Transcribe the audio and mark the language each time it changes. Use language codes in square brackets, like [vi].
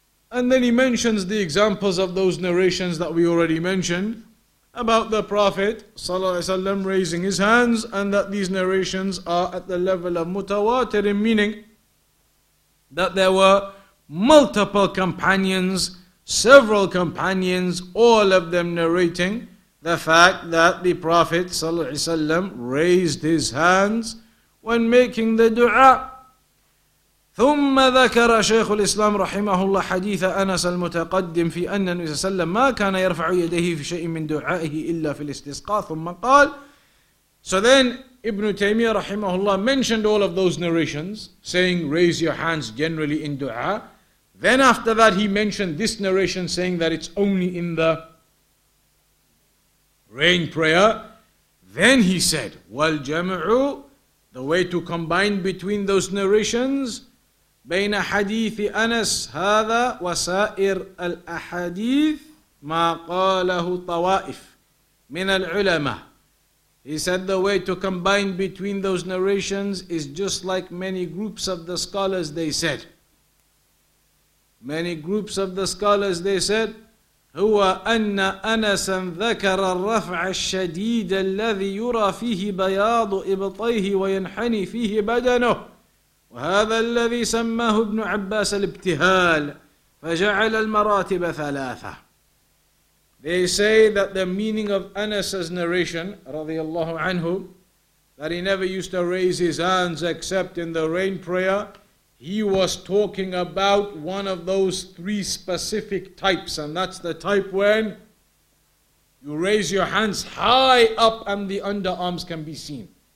[en] And then he mentions the examples of those narrations that we already mentioned about the Prophet sallallahu alaihi wasallam raising his hands, and that these narrations are at the level of mutawatirin, meaning that there were multiple companions, several companions, all of them narrating the fact that the Prophet sallallahu alaihi wasallam raised his hands when making the dua. [ar] ثم ذكر شيخ الإسلام رحمه الله حديث أنس المتقدم في أن النبي صلى الله عليه وسلم ما كان يرفع يديه في شيء من دعائه إلا في الاستسقاء ثم قال. [en] So then Ibn Taymiyyah رحمه الله mentioned all of those narrations saying raise your hands generally in dua. Then after that he mentioned this narration saying that it's only in the rain prayer. Then he said [ar] والجمع, [en] the way to combine between those narrations, [ar] بين حديث أنس هذا وسائر الأحاديث ما قاله طوائف من العلماء. [en] He said the way to combine between those narrations is just like many groups of the scholars, they said. Many groups of the scholars, they said, [ar] هو أن أنس ذكر الرفع الشديد الذي يرى فيه بياض إبطيه وينحني فيه بدنه. وهذا الذي سماه ابن عباس الابتهال فجعل المراتب ثلاثة. [en] They say that the meaning of Anas's narration رضي الله عنه, that he never used to raise his hands except in the rain prayer, he was talking about one of those three specific types, and that's the type when you raise your hands high up and the underarms can be seen.